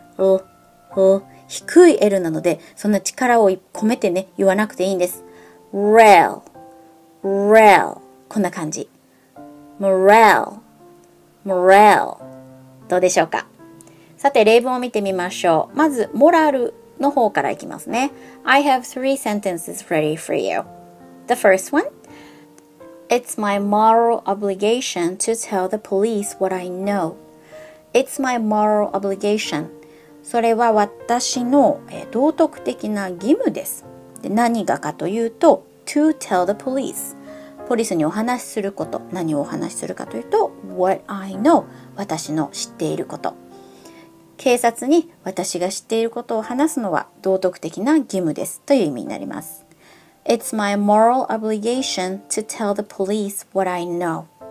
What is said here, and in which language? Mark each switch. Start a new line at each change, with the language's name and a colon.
Japanese: う、う、低い L なので、そんな力を込めてね、言わなくていいんです。レ、レ、こんな感じ。モレル。 Morale、 どうでしょうか。さて、例文を見てみましょう。まず、モラルの方からいきますね。
English: I have 3 sentences ready for you. The first one: It's my moral obligation to tell the police what I know. It's my moral obligation.
Japanese: それは私の道徳的な義務です。で、何がかというと、
English: to tell the police。
Japanese: ポリスにお話しすること、何をお話しするかというと
English: What I know、
Japanese: 私の知っていること、警察に私が知っていることを話すのは道徳的な義務ですという意味になります。
English: It's my moral obligation to tell the police what I know。